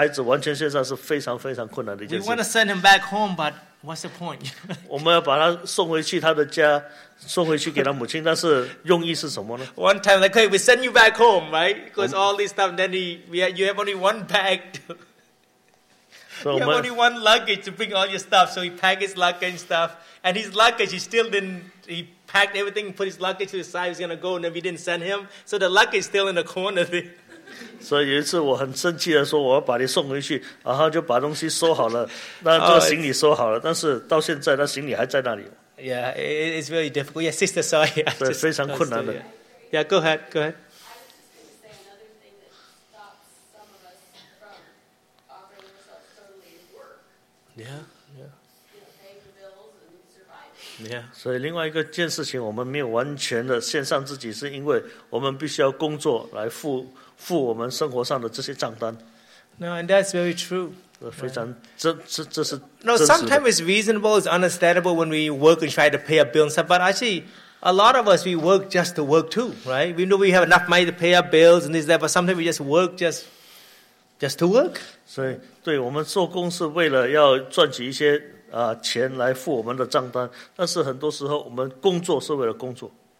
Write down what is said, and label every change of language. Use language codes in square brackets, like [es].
[zh] 所以要把我们完全线上,带着我们孩子完全线上是非常非常困难的一件事。 [en] We want to send him back home, but what's the point? [zh] 我们要把他送回去他的家,送回去给他母亲,但是用意是什么呢? [en] One time, like, hey, we send you back home, right? Because all this stuff, then you have only one bag. So you have only one luggage to bring all your stuff. So he packed his luggage and stuff. And his luggage, he still didn't, he packed everything, put his luggage to the side, he was going to go, and then we didn't send him. So the luggage is still in the corner there. [zh] 所以有一次我很生气的说我要把你送回去然后就把东西收好了那这个行李收好了但是到现在那行李还在那里。 [en] It's very difficult. Yeah, sister, sorry. [zh] 对,非常困难的。 [en] Yeah, go ahead, go ahead. Yeah. [zh] 所以另外一个件事情我们没有完全的献上自己是因为我们必须要工作来付我们生活上的这些账单。 [en] No, and that's very true. [zh] 非常, [en] right. [zh] 这是, [en] no, sometimes it's reasonable, it's understandable when we work and try to pay a bill and stuff, but actually, a lot of us, we work just to work too, right? We know we have enough money to pay our bills and this, that, but sometimes we just work just to work. [zh] 所以,对,我们做工是为了要赚取一些 钱来付我们的账单，但是很多时候我们工作是为了工作。